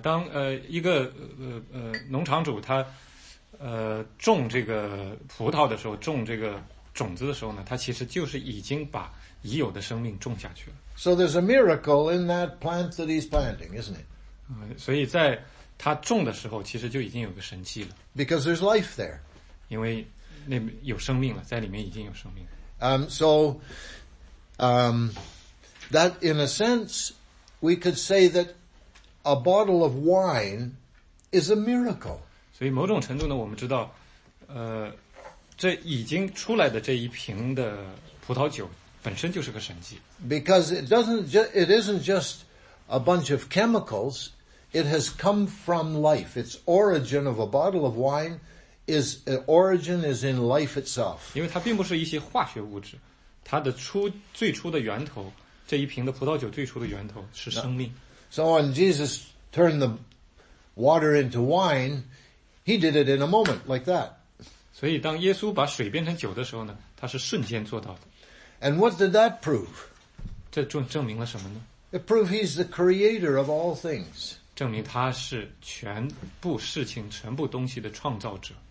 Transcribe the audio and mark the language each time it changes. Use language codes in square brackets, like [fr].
[zh] 当一个农场主他种这个葡萄的时候，种这个种子的时候呢，他其实就是已经把已有的生命种下去了。 [en] So there's a miracle in that plant that he's planting, isn't it? [zh] 所以在他种的时候其实就已经有个神迹了。 [en] Because there's life there. [zh] 因为那有生命了，在里面已经有生命了。 [en] That in a sense, we could say that a bottle of wine is a miracle. [zh] 所以某种程度呢，我们知道这已经出来的这一瓶的葡萄酒本身就是个神迹。 [en] Because it isn't just a bunch of chemicals, it has come from life. Its origin of a bottle of wine is, origin is in life itself. [zh] 因为它并不是一些化学物质，它的最初的源头，这一瓶的葡萄酒最初的源头是生命。 [en] So when Jesus turned the water into wine, he did it in a moment, like that. [zh] 所以当耶稣把水变成酒的时候呢，他是瞬间做到的。 [en] And what did that prove? [zh] 这证明了什么呢？ [en] It proved he's the creator of all things. [zh] 证明他是全部事情、全部东西的创造者。